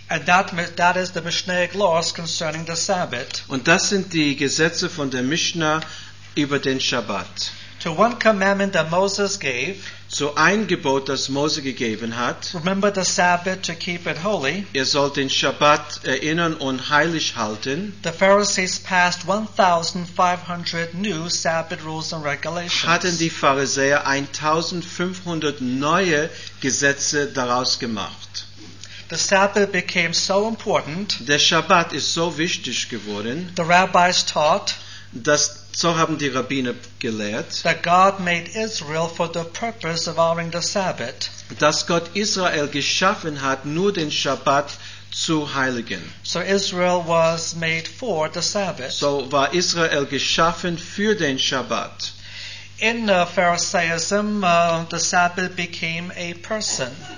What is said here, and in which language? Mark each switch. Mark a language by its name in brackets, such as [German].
[English] And that is the Mishnaic laws concerning the Sabbath. [German] Und das sind die Gesetze von der Mishnah über den Shabbat. [English] To one commandment that Moses gave, [German] so ein Gebot, das Mose gegeben hat, [English] remember the Sabbath to keep it holy, [German] ihr sollt den Shabbat erinnern und heilig halten, [English] the Pharisees passed 1,500 new Sabbath rules and regulations. [German] Hatten die Pharisäer 1,500 neue Gesetze daraus gemacht. [English] The Sabbath became so important, [German] der Shabbat ist so wichtig geworden, [English] the rabbis taught, [German] dass so haben die Rabbiner gelehrt, [English] that God made Israel for the purpose of honoring the Sabbath, [German] dass Gott Israel geschaffen hat, nur den Shabbat zu heiligen. [English] So Israel was made for the Sabbath. [German] So war Israel geschaffen für den Shabbat. [English] In Pharisaism, the Sabbath became a person.